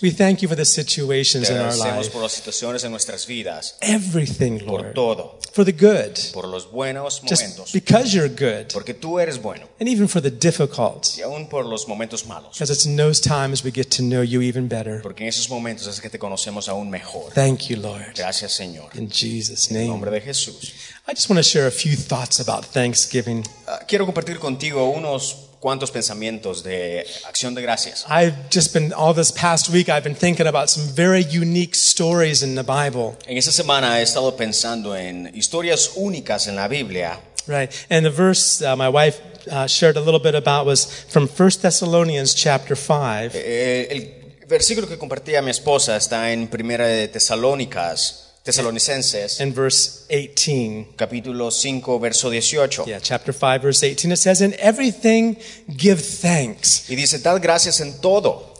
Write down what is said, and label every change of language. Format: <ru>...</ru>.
<en>We thank you for the situations</en> <es>te agradecemos</es> <en>in our lives.</en> <es>Por las situaciones en nuestras vidas.</es> <en>Everything, Lord.</en> <es>Por todo.</es> <en>For the good.</en> <es>Por los buenos</es> <en>just</en> <es>momentos.</es> <en>Because you're good.</en> <es>Porque tú eres bueno.</es> <en>And even for the difficult.</en> <es>Y aún por los momentos malos.</es> <en>Because it's in those times we get to know you even better.</en> <es>Porque en esos momentos es que te conocemos aún mejor.</es> <en>Thank you, Lord.</en> <es>Gracias, Señor.</es> <en>In Jesus' name.</en> <es>En nombre de Jesús.</es> <en>I just want to share a few thoughts about Thanksgiving.</en> <es>Quiero compartir contigo unos cuántos pensamientos de acción de gracias.</es> <en>I've just been all this past week I've been thinking about some very unique stories in the Bible.</en> <es>En esta semana he estado pensando en historias únicas en la Biblia.</es> <en>Right. And the verse my wife shared a little bit about was from 1 Thessalonians chapter 5.</en> <es>El versículo que compartía mi esposa está en Primera de Tesalónicas Tesalonicenses,</es> <en>in verse 18.</en> <es>Capítulo 5, verso 18.</es> <en>Yeah, chapter 5, verse 18. It says, "In everything give thanks."</en> <es>Y dice, "Dad gracias en todo."</es>